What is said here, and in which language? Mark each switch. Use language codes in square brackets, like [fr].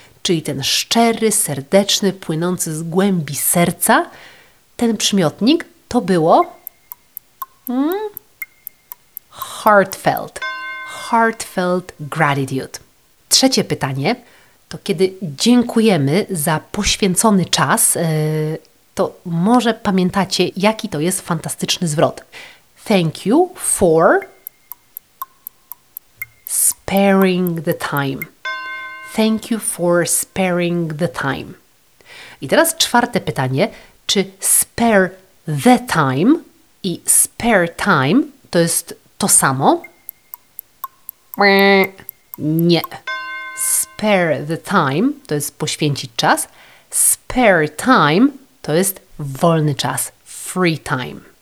[pl] Czyli ten szczery, serdeczny, płynący z głębi serca, ten przymiotnik to było heartfelt. Heartfelt gratitude. Trzecie pytanie to kiedy dziękujemy za poświęcony czas, to może pamiętacie, jaki to jest fantastyczny zwrot. [en] Thank you for sparing the time. Thank you for sparing the time. [pl] I teraz czwarte pytanie, czy spare the time i spare time to jest to samo? Nie. Spare the time to jest poświęcić czas. Spare time to jest wolny czas, free time.